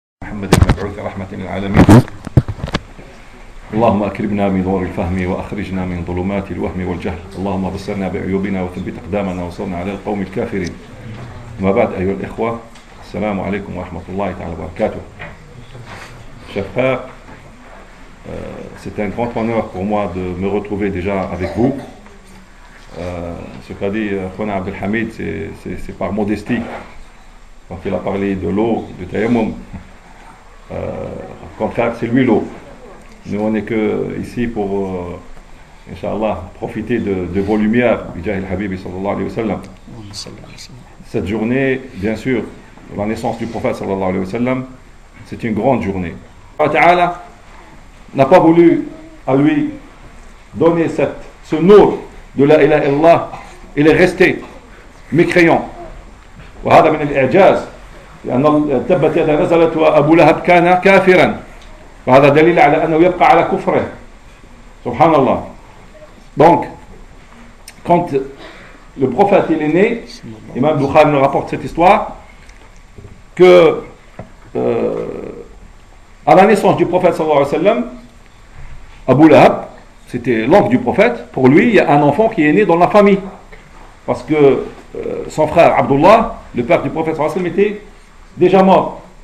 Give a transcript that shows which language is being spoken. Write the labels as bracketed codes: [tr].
[ar] محمد المبعوث رحمة للعالمين. اللهم أكرمنا من نور الفهم وأخرجنا من ظلمات الوهم والجهل. اللهم بصرنا بعيوبنا وثبت أقدامنا وانصرنا على القوم الكافرين. ما بعد أيها الإخوة، السلام عليكم ورحمة الله تعالى وبركاته. [fr] شفاق، c'est un grand honneur pour moi de me retrouver déjà avec vous. Ce qu'a dit Khouna Abdel Hamid, c'est par modestie. Quand il a parlé de l'eau, de Tayammum, au contraire, c'est lui l'eau. Nous, on n'est que ici pour, Inch'Allah, profiter de vos lumières, [ar] Bijahil Habibi sallallahu alayhi wa sallam. [fr] Cette journée, bien sûr, la naissance du prophète sallallahu alayhi wa sallam, c'est une grande journée. Allah Ta'ala n'a pas voulu à lui donner ce nour de la ilaha illallah. Il est resté mécréant. [ar] وهذا من الإعجاز لأن تبت يدا نزلت وأبو لهب كان كافرا وهذا دليل على أنه يبقى على كفره سبحان الله. [fr] Donc quand le prophète est né, Imam Bukhari nous rapporte cette histoire que à la naissance du prophète صلى الله عليه وسلم, Abu Lahab, c'était l'oncle du prophète, pour lui il y a un enfant qui est né dans la famille parce que son frère Abdullah, le père du prophète sallallahu alayhi wa sallam, était déjà mort.